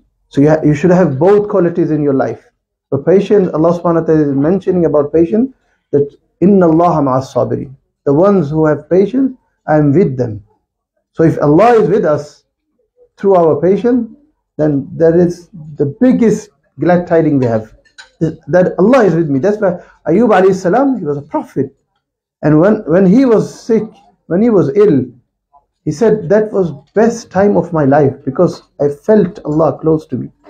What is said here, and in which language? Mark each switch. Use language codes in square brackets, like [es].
[en] So you should have both qualities in your life. So patience, Allah subhanahu wa ta'ala is mentioning about patience, that [ar] إِنَّ اللَّهَ مَعَ الصَّابِرِينَ, [en] the ones who have patience, I am with them. So if Allah is with us through our patience, then that is the biggest glad tiding we have. That Allah is with me. That's why Ayyub alayhi salam, he was a prophet. And when he was sick, when he was ill, he said, that was best time of my life because I felt Allah close to me.